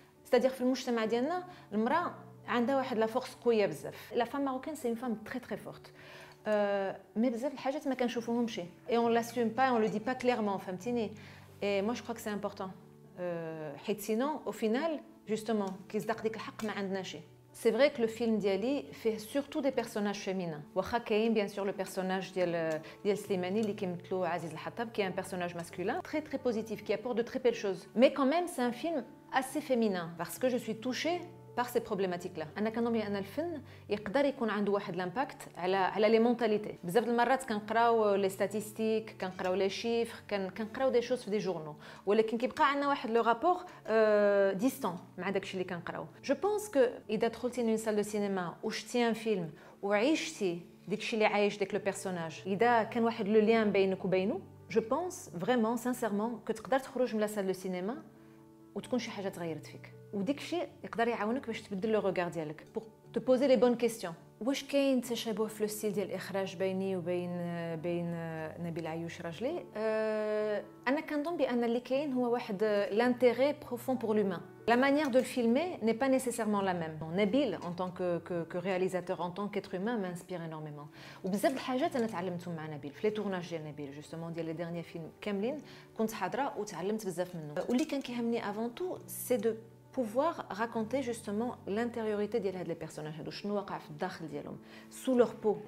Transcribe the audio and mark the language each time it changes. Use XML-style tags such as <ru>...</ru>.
<ar>استادير في المجتمع ديالنا المراه عندها واحد لا فورس قويه بزاف،</ar> <fr>لا فام ماروكين سي اون فام تري تري فورت،</fr> <ar>مي بزاف الحاجات ما كنشوفوهمش</ar> <fr>اي اون لاسيوم با اون لو دي با كليرمون،</fr> <ar>فهمتيني؟</ar> <fr>اي مو جو كرو سي امبورطون،</fr> <ar>حيت</ar> <fr>سينو او فينال جوستومون</fr> <ar>كيصدق ديك الحق ما عندناش.</ar> <fr>C'est vrai que le film d'Ali fait surtout des personnages féminins.</fr> <ar>Waha kayen</ar> <fr>bien sûr le personnage d'Ali Slimani</fr> <ar>li kimtlo</ar> <fr>Aziz Al-Hattab qui est un personnage masculin très très positif qui apporte de très belles choses. Mais quand même c'est un film assez féminin parce que je suis touchée par ces problématiques là.</fr> <ar>Ana kanomi ana</ar> <fr>le film</fr> <ar>yqdar ykon ando wahed</ar> <fr>l'impact</fr> <ar>ala</ar> <fr>les mentalités.</fr> <ar>Bzaf del marrat kanqraw</ar> <fr>les statistiques,</fr> <ar>kanqraw</ar> <fr>les chiffres,</fr> <ar>kanqraw des choses fi</ar> <fr>des journaux,</fr> <ar>walakin kibqa ana wahed</ar> <fr>le rapport distant</fr> <ar>ma dakchi li kanqraw.</ar> <fr>Je pense que</fr> <ar>ida dkhulti</ar> <fr>une salle de cinéma</fr> <ar>ou chti un film ou aichti dakchi li aich dak</ar> <fr>le personnage,</fr> <ar>ida kan wahed le lien baynak w baynou,</ar> <fr>je pense vraiment sincèrement que</fr> <ar>tqdar tkhroj mla salle de cinéma ou tkon chi haja tghayrat fik. وديك الشيء يقدر يعاونك باش تبدل</ar> <fr>لو روغار</fr> <ar>ديالك</ar> <fr>بوغ تو بوزي لي بون كيستيون.</fr> <ar>واش كاين تشابه في</ar> <fr>لو ستيل</fr> <ar>ديال الاخراج بيني وبين نبيل عيوش راجلي؟ انا كنظن بان اللي كاين هو واحد</ar> <fr>لانتيغي بروفون بور لومان. La manière de le filmer n'est pas nécessairement la même. Bon, Nabil, en tant que réalisateur, en tant qu'être humain, m'inspire énormément. Ou beaucoup de choses, j'ai appris beaucoup avec Nabil. Les tournages de Nabil, justement, les derniers films, Kamlin, j'étais présent et j'ai appris beaucoup de lui. Ce qui m'a amené avant tout, c'est de pouvoir raconter justement l'intériorité de ces personnages, ce qui se passe dans leur peau, sous leur peau.</fr>